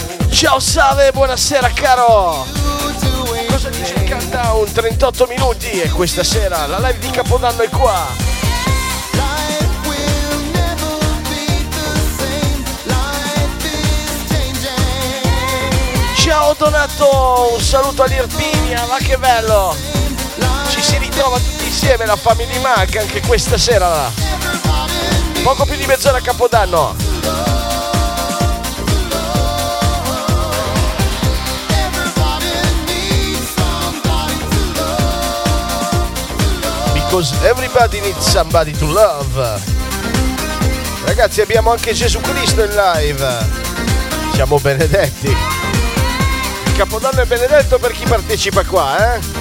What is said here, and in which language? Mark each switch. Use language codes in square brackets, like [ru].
[it] Ciao Save, buonasera caro! Cosa dice il countdown? 38 minuti e questa sera la live di Capodanno è qua! [en] Life will never be the same. Life is changing. [it] Ciao Donato, un saluto all'Irpinia, ma che bello! Ci si ritrova tutti insieme, la Family Mac, anche questa sera là. Poco più di mezz'ora a Capodanno. [en] Because everybody needs somebody to love. [it] Ragazzi, abbiamo anche Gesù Cristo in live. Siamo benedetti. Il Capodanno è benedetto per chi partecipa qua, eh?